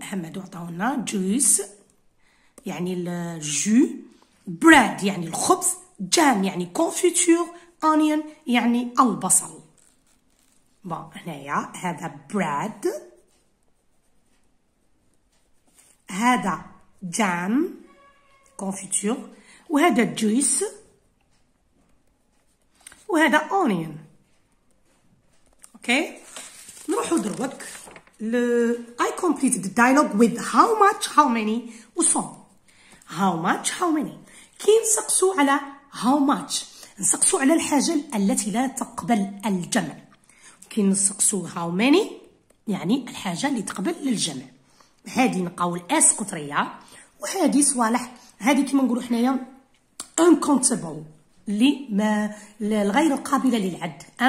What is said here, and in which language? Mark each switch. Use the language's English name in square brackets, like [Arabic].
[Arabic] هادو عطاونا جوس يعني الجو, بريد يعني الخبز, جام يعني كونفيتور, اونيون يعني البصل. بون هنايا هذا بريد, هذا جام كونفيتور, وهذا جوس, وهذا اونيون. اوكي نروحو دروك ل [English] I completed the dialogue with how much, how many, [Arabic] وصوم. [English] How much, how many. [Arabic] كي نسقسو على [English] how much [Arabic] نسقسو على الحاجة التي لا تقبل الجمع. كي نسقسو [English] how many [Arabic] يعني الحاجة اللي تقبل للجمع. هادي نقول اس قطرية وهادي صوالح. هادي كيما نقولو حنايا uncountable اللي ما الغير القابلة للعد.